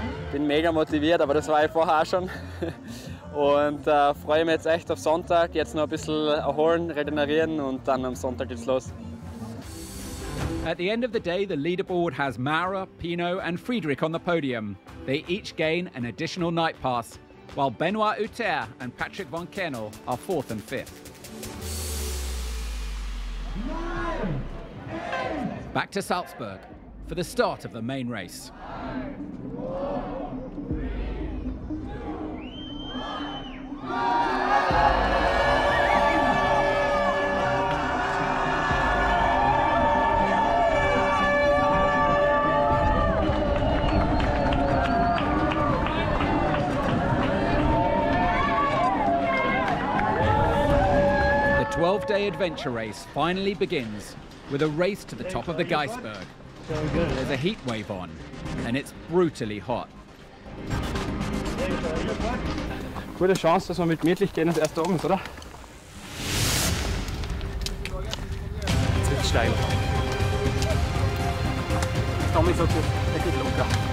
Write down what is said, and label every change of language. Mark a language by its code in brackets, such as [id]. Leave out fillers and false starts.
[de] Bin mega motiviert, aber das war ich vorher auch schon. Und freue mich jetzt echt auf Sonntag. Jetzt noch ein bisschen erholen, regenerieren und dann am Sonntag geht's los. [en] At the end of the day, the leaderboard has Maurer, Pino and Friedrich on the podium. They each gain an additional night pass, while Benoit Hutter and Patrick von Kennel are fourth and fifth. Back to Salzburg for the start of the main race. The 12-day adventure race finally begins with a race to the top of the Geisberg. There's a heat wave on, and it's brutally hot. [de] Gute Chance, dass wir mit gemütlich gehen und erst da oben ist, oder? Jetzt wird's steil. Ich komme nicht so gut, der geht locker.